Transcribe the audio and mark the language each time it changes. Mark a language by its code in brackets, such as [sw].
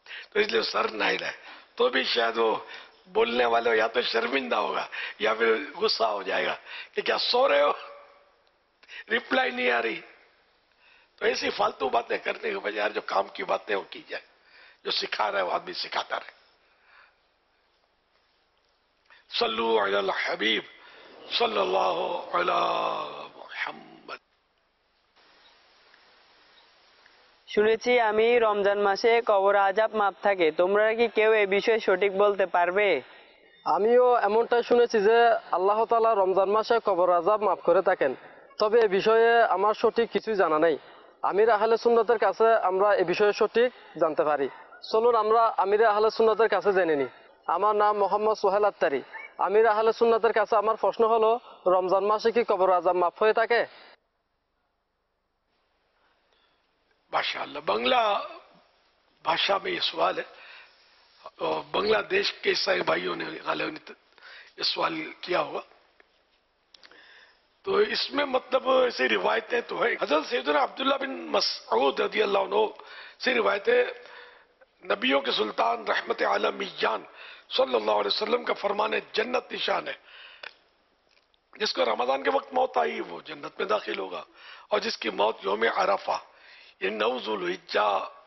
[ur] تو اس لیے سر نہ ہلائے، تو بھی شاید وہ بولنے والے ہو یا تو شرمندہ ہوگا یا پھر غصہ ہو جائے گا کہ کیا سو رہے ہو، ریپلائی نہیں آ رہی، تو ایسی فالتو باتیں کرنے کے بجائے جو کام کی باتیں وہ کی جائے، جو سکھا رہا ہے وہ آدمی سکھاتا رہے۔ [ar] صلو علی الحبیب صلی اللہ علی محمد۔ [bn] শুনেছি আমি রমজান মাসে কবর আজাব মাপ থাকে, তোমরা কি কেউ এই বিষয়ে সঠিক বলতে পারবে? আমিও এমনটা শুনেছি যে আল্লাহ তাআলা রমজান মাসে কবর আজাব মাপ করে থাকেন, তবে এ বিষয়ে আমার সঠিক কিছুই জানা নাই, আমির আহলে সুন্নাতের কাছে আমরা এ বিষয়ে সঠিক জানতে পারি, চলুন আমরা আমির আহলে সুন্নাতের কাছে জেনে নিই। আমার নাম মোহাম্মদ সোহেল আত্তারি, আমির আহলে সুন্নাতের কাছে আমার প্রশ্ন হলো রমজান মাসে কি কবর আজাব মাপ হয়ে থাকে? [ur] ماشاء اللہ، بنگلہ بھاشا میں یہ سوال ہے، بنگلہ دیش کے عیسائی بھائیوں نے غالباً یہ سوال کیا ہوا، تو اس میں مطلب ایسی روایتیں تو ہیں، حضرت سیدنا عبداللہ بن مسعود رضی اللہ عنہ سے روایتیں، نبیوں کے سلطان رحمت عالمیان صلی اللہ علیہ وسلم کا فرمان ہے جنت نشان ہے، جس کو رمضان کے وقت موت آئی وہ جنت میں داخل ہوگا، اور جس کی موت یوم عرفہ نو ذوالحجہ